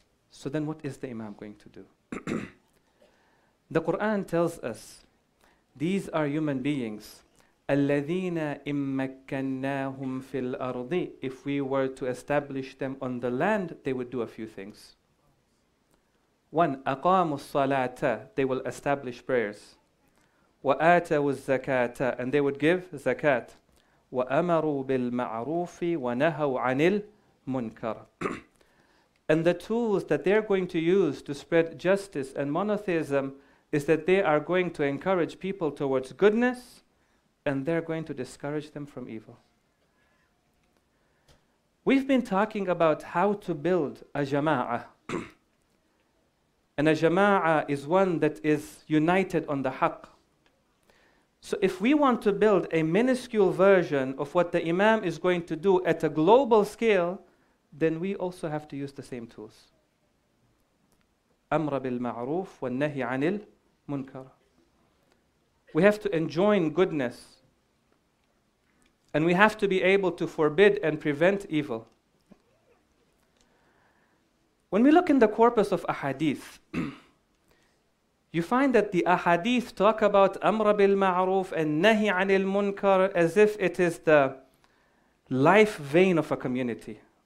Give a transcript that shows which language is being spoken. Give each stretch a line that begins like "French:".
English: So then what is the Imam going to do? The Quran tells us, these are human beings.
Arabic: الَّذِينَ إِمَّكَّنَّاهُمْ فِي الْأَرْضِ.
English: If we were to establish them on the land, they would do a few things.
Arabic: One, أَقَامُوا الصَّلَاةَ.
English: They will establish prayers.
Arabic: وَآتَوُ الزَّكَاةَ.
English: And they would give zakat.
Arabic: وَأَمَرُوا بِالْمَعْرُوفِ وَنَهَوْا عَنِ الْمُنْكَرِ.
English: And the tools that they're going to use to spread justice and monotheism is that they are going to encourage people towards goodness and they're going to discourage them from evil. We've been talking about how to build a jama'ah. And a jama'ah is one that is united on the haqq. So if we want to build a minuscule version of what the Imam is going to do at a global scale, then we also have to use the same tools.
Arabic: أمر بالمعروف والنهي عن Munkar.
English: We have to enjoin goodness. And we have to be able to forbid and prevent evil. When we look in the corpus of ahadith, you find that the ahadith talk about amra bil ma'ruf and nahi anil munkar as if it is the life vein of a community.